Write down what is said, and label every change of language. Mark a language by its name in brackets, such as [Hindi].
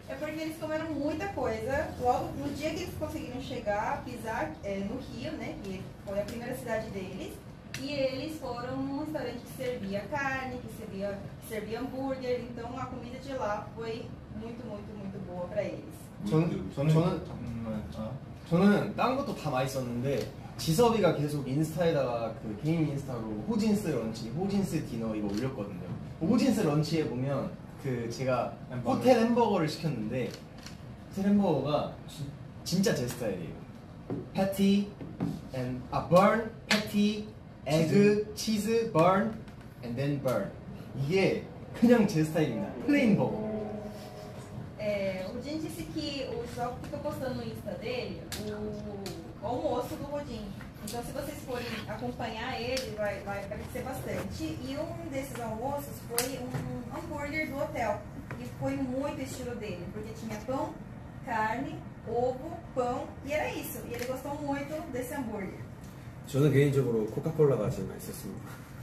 [Portuguese] É porque eles comeram muita coisa. Logo no dia que eles conseguiram chegar, pisar no Rio, né? Que foi a primeira cidade deles. E eles foram num restaurante. restaurante que servia carne, que servia, hambúrguer. Então a comida de lá foi muito, muito, muito boa para eles. [Korean] 저는 저는 다른 것도 다 맛있었는데 지섭이가 계속 인스타에다가 그 개인 인스타로 호진스 런치, 호진스 디너 이거 올렸거든요. 호진스 런치에 보면 그 제가 햄버거. 호텔 햄버거를 시켰는데 호텔 햄버거가 진짜 제 스타일이에요. [English] 패티 앤 아 번 패티 에그 치즈 번 앤 덴 번. [Korean] 이게 그냥 제 스타일입니다. 플레인 버거. [Portuguese] O Jin disse que o Jock fica postando no Insta dele o almoço do Rodin. Então se vocês forem acompanhar ele, vai aparecer bastante. E um desses almoços foi um hambúrguer do hotel. E foi muito estilo dele, porque tinha pão, carne, ovo, pão, e era isso. E ele gostou muito desse hambúrguer. [Korean] 저는 개인적으로 코카콜라가 제일 맛있었습니다.